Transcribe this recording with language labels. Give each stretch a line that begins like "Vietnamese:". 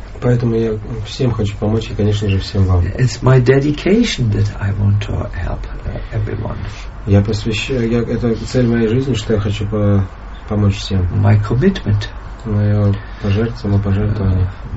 Russian: Поэтому я всем хочу помочь, и, конечно же, всем вам.
English: It's my dedication that I want to help everyone.
Russian: Я посвящаю, я, это цель моей жизни, что я хочу помочь всем.
English: My commitment.
Russian: Мое самопожертвование.